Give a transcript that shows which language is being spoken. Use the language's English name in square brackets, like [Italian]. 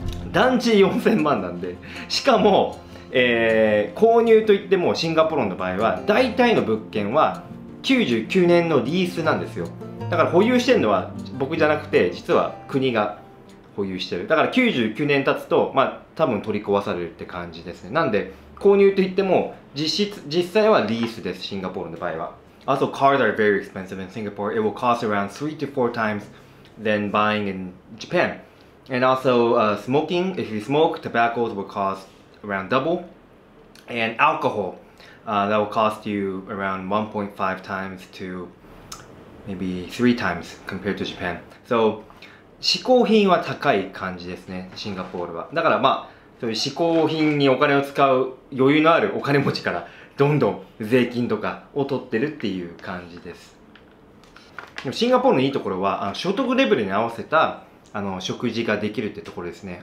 [Japanese] 団地4000万なんで、しかも購入といってもシンガポールの場合は大体の物件は99年のリースなんですよ。だから保有してるのは僕じゃなくて実は国が保有してる。だから99年経つと、まあ多分取り壊されるって感じですね。なんで購入といっても実際はリースです、シンガポールの場合は。 [English] Also, cars are very expensive in Singapore. It will cost around 3-4 times than buying in Japan. And also, smoking, if you smoke, tobacco will costAround double, and alcohol, that will cost you around 1.5 times to maybe 3 times compared to Japan. [Japanese] So, 嗜好品は高い感じですね、シンガポールは。だからまあ、そういう嗜好品にお金を使う余裕のあるお金持ちからどんどん税金とかを取ってるっていう感じです。でもシンガポールのいいところは、所得レベルに合わせた食事ができるってところですね。